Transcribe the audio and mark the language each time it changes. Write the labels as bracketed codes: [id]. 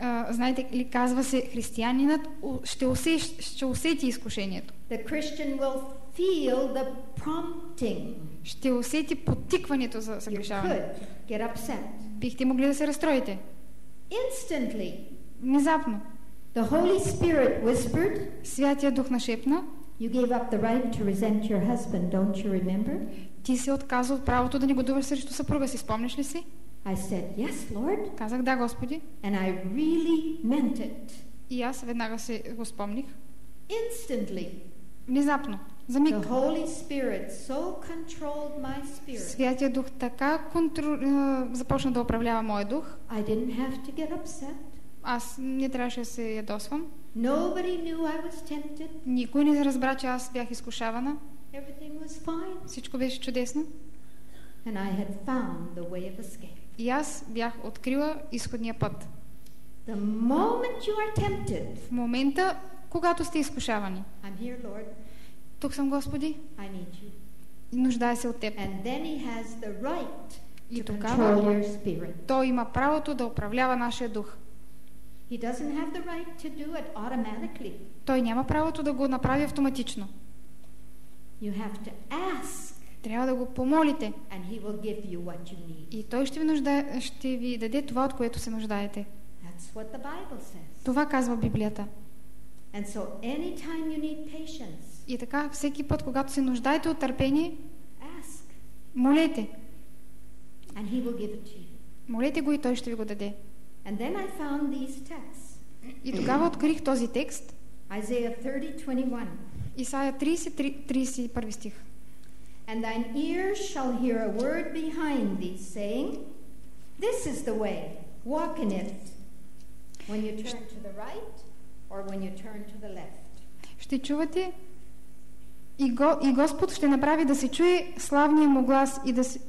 [bg] Знаете ли, казва се, християнинът ще усети изкушението. [en] The Christian will feel the prompting. [bg] Ще усети подтикването за съгрешаване. [en] You could get upset. [bg] Бихте могли да се разстроите. [en] Instantly. [bg] Внезапно. [en] The Holy Spirit whispered. [bg] Святия Дух нашепна. [en] You gave up the right to resent your husband, don't you remember? [bg] Ти си отказал правото да негодуваш срещу съпруга си, спомняш ли си? [en] I said, yes, Lord. [bg] Казах, да, Господи. [en] And I really meant it. [bg] И аз веднага си го спомних. [en] Instantly. [bg] Внезапно. За миг. [en] The Holy Spirit so controlled my spirit. [bg] Святия Дух така започна да управлява моя дух. [en] I didn't have to get upset. [bg] Аз не трябваше да се ядосвам. [en] Nobody knew I was tempted. [bg] Никой не разбра, че аз бях изкушавана. [en] Everything was fine. [bg] Всичко беше чудесно. [en] And I had found the way of escape. [bg] И аз бях открила изходния път. [en] The moment you are tempted, [bg] в момента, когато сте изкушавани, [en] I'm here, Lord. [bg] Тук съм, Господи. [en] I need you. [bg] Нуждая се от теб. [en] And then he has the right [bg] и [en] to [bg] тогава [en] control your spirit. [bg] Той има правото да управлява нашия дух. [en] He doesn't have the right to do it automatically. [bg] Той няма правото да го направи автоматично. [en] You have to ask. [bg] Трябва да го помолите. [en] And he will give you what you need. [bg] И той ще ви даде това, от което се нуждаете. [en] That's what the Bible says. [bg] Това казва Библията. [en] And so anytime you need patience. [bg] И така всеки път, когато се нуждаете от търпение, [en] ask. [bg] Молете. [en] And he will give it to you. [bg] Молете го и той ще ви го даде. [en] And then I found these texts. [bg] И тогава открих този текст. [en] Isaiah 30:21. [bg] Исаия 30:31 стих. [en] And thine ears shall hear a word behind thee saying, this is the way, walk in it. When you turn to the right or when you turn to the left. [bg] Ще чувате и Господ ще направи да се чуе славния му глас и да се